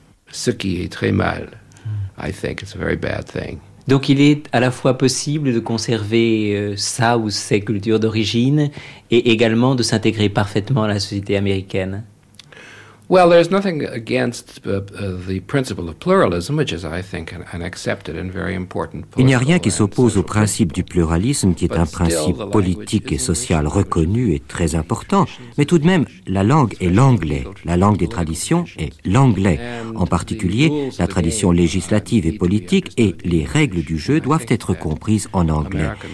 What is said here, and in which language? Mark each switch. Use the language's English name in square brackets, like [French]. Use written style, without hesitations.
[French] Ce qui est très mal, [English] I think it's a very bad thing. [French] Donc il est à la fois possible de conserver sa ou ses cultures d'origine et également de s'intégrer parfaitement à la société américaine. [English] Well, there's nothing against the principle of pluralism, which is, I think, an accepted and very important [French] principle. Il n'y a rien qui s'oppose au principe du pluralisme, qui est un principe politique et social reconnu et très important. Mais tout de même, la langue est l'anglais. La langue des traditions est l'anglais. En particulier, la tradition législative et politique et les règles du jeu doivent être comprises en anglais.